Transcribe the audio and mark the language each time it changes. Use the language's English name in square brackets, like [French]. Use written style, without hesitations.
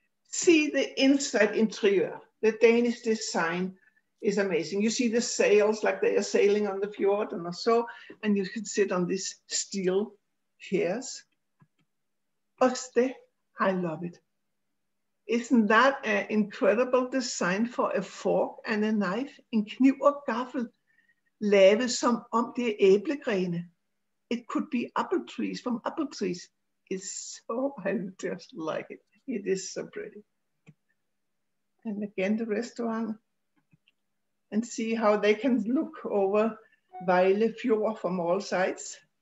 [English] See the inside interior. The Danish design is amazing. You see the sails like they are sailing on the fjord and so, and you can sit on this steel chairs. Oste, I love it. Isn't that an incredible design for a fork and a knife? [Danish] En kniv og gaffel, lavet som om det er æblegrene. [English] It could be apple trees from apple trees. It's so, I just like it. It is so pretty. And again, the restaurant. And see how they can look over Vejle Fjord from all sides.